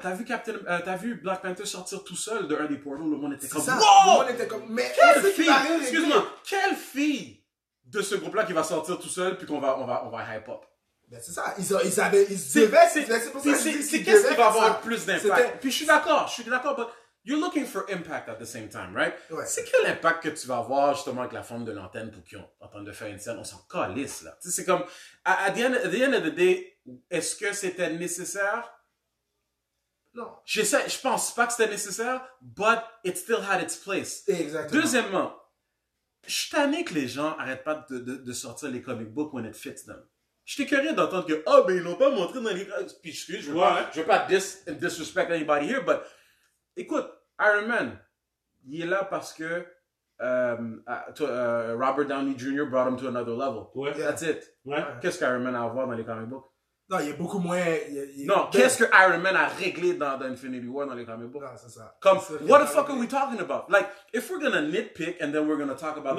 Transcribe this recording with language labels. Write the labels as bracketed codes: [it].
[fr] T'as vu Black Panther sortir tout seul de un des portals. Le monde était comme... C'est ça. Wow! Le monde était comme... Mais quelle fille... Excuse-moi. Quelle fille de ce groupe-là qui va sortir tout seul puis qu'on va hype-up? Ben c'est ça, ils devaient, c'est pour ça qu'ils devaient avoir plus d'impact. Puis je suis d'accord, [en] but you're looking for impact at the same time, right? [fr] Ouais. C'est quel impact que tu vas avoir justement avec la forme de l'antenne pour qu'ils entendent de faire une scène? On s'en calisse, là. T'sais, c'est comme, [en] at the end of the day, [fr] est-ce que c'était nécessaire? Non. Je pense pas que c'était nécessaire, [en] but it still had its place. [fr] Exactement. Deuxièmement, je suis tanné que les gens arrêtent pas de sortir les comic books [en] when it fits them. [fr] Je suis curieux d'entendre que, oh, ben ils l'ont pas montré dans les. Puis excuse-moi, je veux pas [en] disrespect anybody here, but [fr] écoute, Iron Man, il est là parce que Robert Downey Jr. [en] brought him to another level. [fr] Ouais. [en] Yeah. That's it. [fr] Ouais. Qu'est-ce qu'Iron Man a à voir dans les comic books? Non, il est beaucoup moins. Qu'est-ce que Iron Man a réglé dans Infinity War dans les comic books? Non, c'est ça. [en] Comme, what the fuck are we talking about? Like, if we're gonna nitpick and then we're gonna talk about